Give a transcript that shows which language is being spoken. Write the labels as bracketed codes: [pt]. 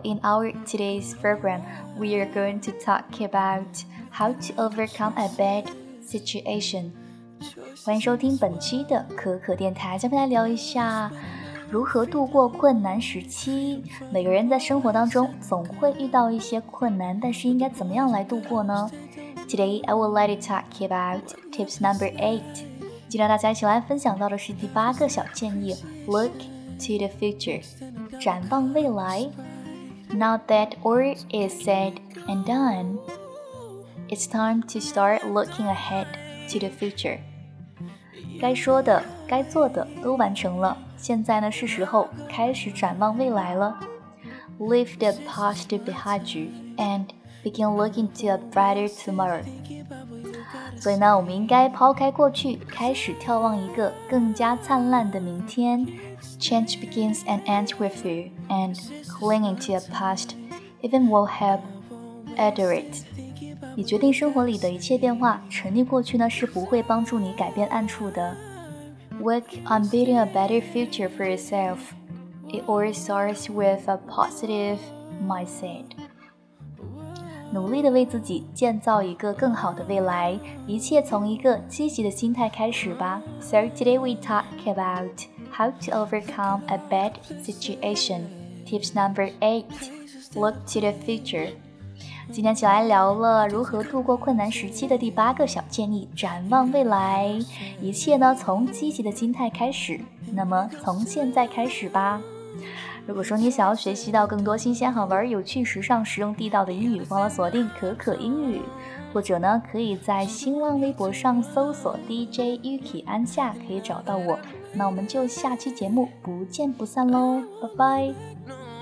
[en] In our today's program, we are going to talk about how to overcome a bad situation. [zh] 欢迎收听本期的可可电台，咱们来聊一下如何度过困难时期。每个人在生活当中总会遇到一些困难，但是应该怎么样来度过呢？ [en] Today, I would like to talk about tips number 8. [zh] 今天大家一起来分享到的是第八个小建议， [en] Look to the future, [zh] 展望未来。 [en] Now that all is said and done, it's time to start looking ahead to the future. [zh] 该说的该做的都完成了，现在呢是时候开始展望未来了。 [en] Leave the past behind you and begin looking to a brighter tomorrow. [zh] 所以呢，我们应该抛开过去，开始眺望一个更加灿烂的明天。 [en] Change begins and ends with you, and clinging to a past even will help alter it. [zh] 你决定生活里的一切变化，沉溺过去呢是不会帮助你改变暗处的。 [en] Work on building a better future for yourself. It all starts with a positive mindset. [zh] 努力地为自己建造一个更好的未来，一切从一个积极的心态开始吧。 [en] So today we talk about how to overcome a bad situation. Tips number 8. Look to the future. [zh] 今天起来聊了如何度过困难时期的第八个小建议，展望未来，一切呢从积极的心态开始，那么从现在开始吧。如果说你想要学习到更多新鲜好玩有趣时尚实用地道的英语，忘了锁定可可英语，或者呢可以在新浪微博上搜索 DJ Yuki 安夏，可以找到我。那我们就下期节目不见不散咯，拜拜。